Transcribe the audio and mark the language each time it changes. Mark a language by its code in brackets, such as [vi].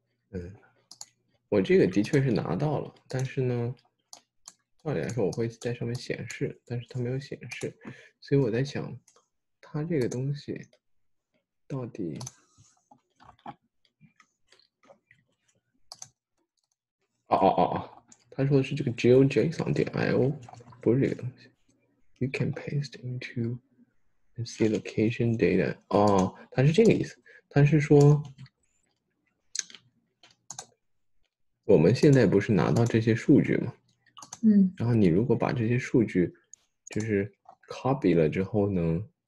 [zh] 嗯，我这个的确是拿到了，但是呢，照理来说我会在上面显示，但是它没有显示，所以我在想，它这个东西到底。哦哦哦哦，他说的是这个 geojson.io， 不是这个东西。 [en] You can paste into and see location data。 [zh] 哦，他是这个意思。他是说，我们现在不是拿到这些数据吗？嗯。然后你如果把这些数据，就是 copy 了之后呢？